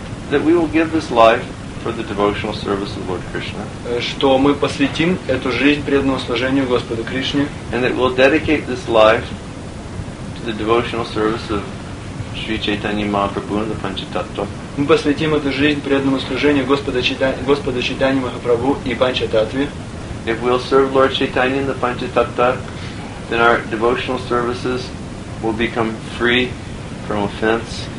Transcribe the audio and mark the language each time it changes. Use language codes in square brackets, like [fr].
[en] That we will give this life for the devotional service of Lord Krishna. [ru] Что мы посвятим эту жизнь преданному служению Господу Кришне. [en] And that we'll dedicate this life to the devotional service of Sri Chaitanya Mahaprabhu and the Panchatattva. [ru] Мы посвятим эту жизнь преданному служению Господа Чайтанья Махапрабху и Панчататве. [en] If we'll serve Lord Chaitanya and the Panchatattva, then our devotional services will become free from offense.